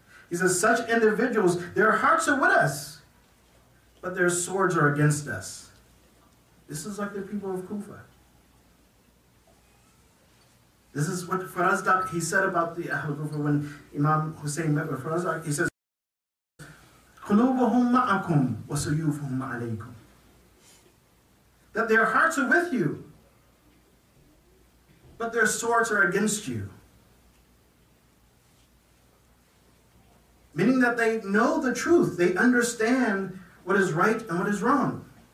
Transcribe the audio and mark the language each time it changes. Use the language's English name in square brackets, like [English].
[English] He says, such individuals, their hearts are with us, but their swords are against us. This is like the people of Kufa. This is what Farazdaq, he said about the Ahl Kufa when Imam Hussein met with Farazdaq. He says, [Arabic] قلوبهم معكم وسيوفهم عليكم. [English] That their hearts are with you, but their swords are against you. Meaning that they know the truth. They understand what is right and what is wrong.